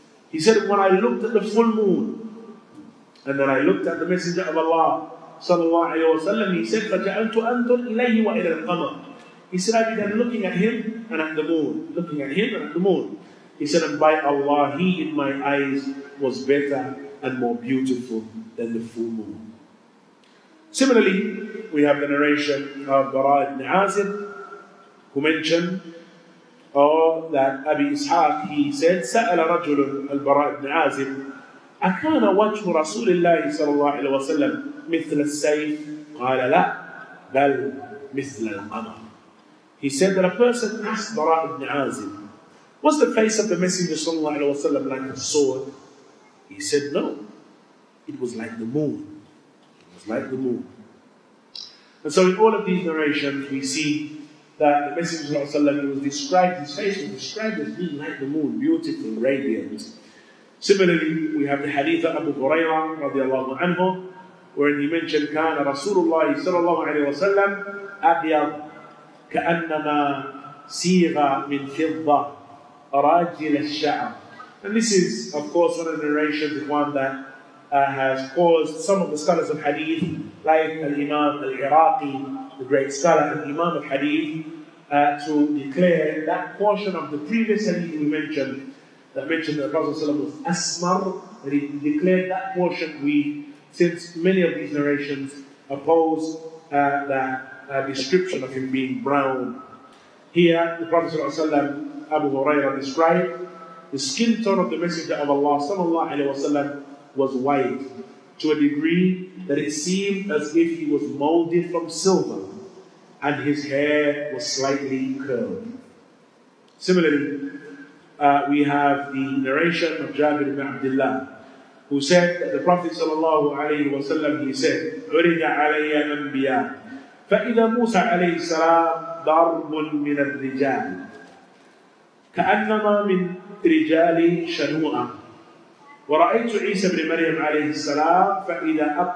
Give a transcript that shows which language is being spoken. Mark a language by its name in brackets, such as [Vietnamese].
[English] He said, when I looked at the full moon, and then I looked at the Messenger of Allah, sallallahu alayhi wa sallam, he said, [Arabic] فَجَعَلْتُ أَنْتُرْ إِلَيْهِ وَإِلَى الْقَمَرِ. [English] He said, I began looking at him and at the moon. Looking at him and at the moon. He said, and by Allah, he in my eyes was better and more beautiful than the full moon. Similarly, we have the narration of Bara' ibn Azib, who mentioned that Abi Ishaq, he said, [Arabic] سَأَلَ رَجُلٌ الْبَرَاءِ ابْنِ عَازِبٍ أكان وجه رسول الله صلى الله عليه وسلم مثل السيف قال لا بل مثل القمر. [English] He said that a person asked Bara' ibn Azib, was the face of the Messenger صلى الله عليه وسلم like a sword? He said no, it was like the moon. It was like the moon. And so in all of these narrations we see that the Messenger صلى الله عليه وسلم, it was described, his face was described as being like the moon, beautiful, radiant. Similarly, we have the hadith of Abu Hurairah radiallahu anhu, wherein he mentioned, [Arabic] كان رسول الله صلى الله عليه وسلم أبيض كأنما سيغ من فضة راجل الشعر. [English] And this is, of course, one of the narrations, one that has caused some of the scholars of hadith, like Al-Imam Al-Iraqi, the great scholar and Imam of hadith, to declare that portion of the previous hadith we mentioned, that mentioned that Prophet ﷺ was asmar, that he declared that portion weak, since many of these narrations oppose that description of him being brown. Here, the Prophet ﷺ, Abu Hurairah, described the skin tone of the Messenger of Allah sallallahu alayhi wasallam was white to a degree that it seemed as if he was molded from silver, and his hair was slightly curled. Similarly, we have the narration of Jabir ibn Abdullah, who said that the Prophet sallallahu alayhi wa sallam, he said, [Arabic] عُرِجَ عَلَيَّ الْأَنْبِيَا فَإِذَا مُوسَى عَلَيْهِ السَّلَامُ ضَرْبٌ مِنَ الرِّجَالِ كَأَنَّمَا مِنْ رِجَالِ شَنُوءًا وَرَأَيْتُ عِيسَى بْنِ مَرْيَمَ عَلَيْهِ السَّلَامُ فَإِذَا